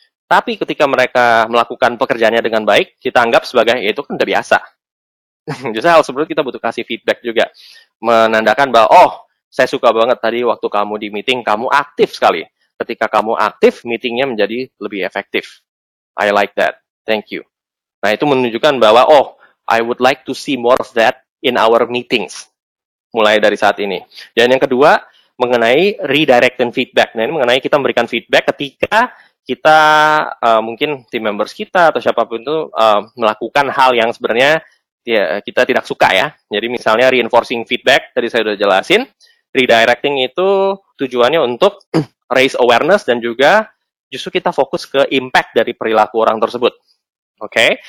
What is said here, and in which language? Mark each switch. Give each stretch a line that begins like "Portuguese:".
Indonesian: Tapi ketika mereka melakukan pekerjaannya dengan baik, kita anggap sebagai, ya itu kan udah biasa. Justru hal sebelumnya kita butuh kasih feedback juga. Menandakan bahwa, oh, saya suka banget tadi waktu kamu di meeting, kamu aktif sekali. Ketika kamu aktif, meetingnya menjadi lebih efektif.
English: I like that. Thank you.
Indonesian: Nah, itu menunjukkan bahwa, oh,
English: I would like to see more of that in our meetings.
Indonesian: Mulai dari saat ini. Dan yang kedua, mengenai redirecting feedback. Nah, ini mengenai kita memberikan feedback ketika kita, mungkin team members kita atau siapapun itu melakukan hal yang sebenarnya ya, kita tidak suka ya. Jadi misalnya reinforcing feedback, tadi saya sudah jelasin. Redirecting itu tujuannya untuk raise awareness dan juga justru kita fokus ke impact dari perilaku orang tersebut. Oke, okay?